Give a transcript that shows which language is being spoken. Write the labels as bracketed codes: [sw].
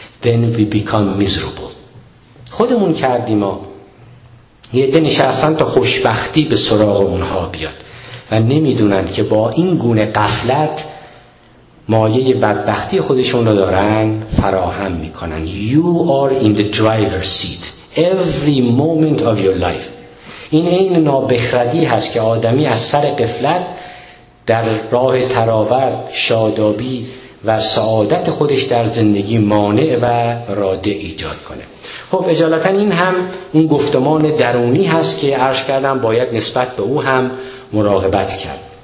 [en] Then we become miserable. [fa] خودمون کردیم ما. یه دنی شخصاً تا خوشبختی به سراغ اونها بیاد و نمیدونن که با این گونه غفلت مایه بدبختی خودشون رو دارن فراهم میکنن. [en] You are in the driver's seat every moment of your life. [fa] این این نابخردی هست که آدمی از سر غفلت در راه تراوت، شادابی و سعادت خودش در زندگی مانع و راد ایجاد کنه. خب اجالتاً این هم اون گفتمان درونی هست که عرض کردم باید نسبت به او هم مراقبت کرد.